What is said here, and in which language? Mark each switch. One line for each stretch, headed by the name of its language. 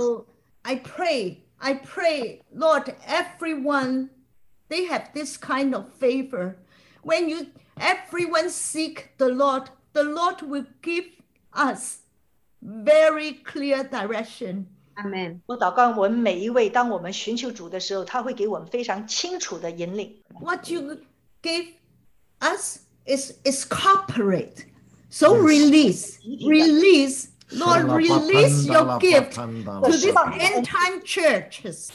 English: So I pray, Lord, everyone, they have this kind of favor. When everyone seek the Lord will give us very clear direction. Amen.
Chinese: 我祷告我们每一位当我们寻求主的时候, 祂会给我们非常清楚的引领。
English: What you give us is corporate. So release, release, Lord, release your gift to these end time churches.